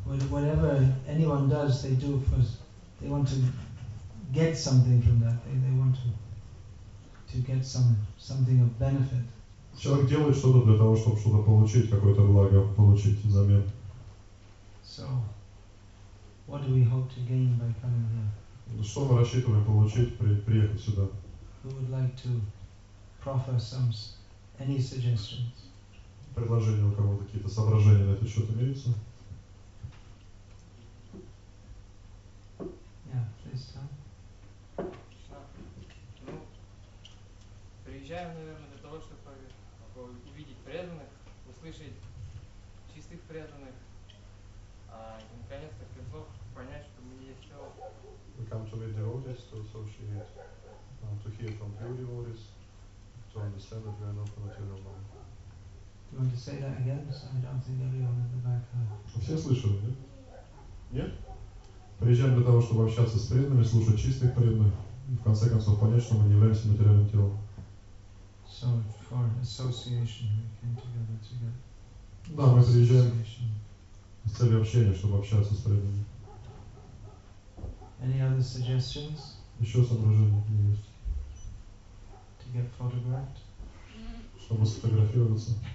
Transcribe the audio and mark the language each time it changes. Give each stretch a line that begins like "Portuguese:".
English: Whatever anyone does, they do first. They want to get something from that. They want to get something of benefit.
Russian: Человек делает что-то для того, чтобы что-то получить, какое-то благо получить взамен.
English: So, what do we hope to gain by coming here?
Russian: Что мы рассчитываем получить, приехать сюда?
English: Who would like to proffer any suggestions?
Russian: Предложения у кого-то, какие-то соображения на этот счет имеются?
English: Yeah, please tell.
Russian: Приезжаем, наверное, для того, чтобы увидеть преданных, услышать чистых преданных, и наконец-то в конце понять, что мы есть все.
English: We come to meet devotees to associate, to hear from pure devotees, to understand that we are not material man. Do you want to say that again? So I don't think everyone at the back heard.
Russian: Все слышали, нет? Нет? Приезжаем для того, чтобы общаться с преданными, слушать чистых преданных, и в конце концов понять, что мы не являемся материальным телом.
English: So for association, we came together to get.
Russian: Да, мы приезжаем с целью общения, чтобы общаться с преданными.
English: Any other suggestions?
Russian: Еще соображения есть?
English: To get photographed?
Russian: Чтобы сфотографироваться.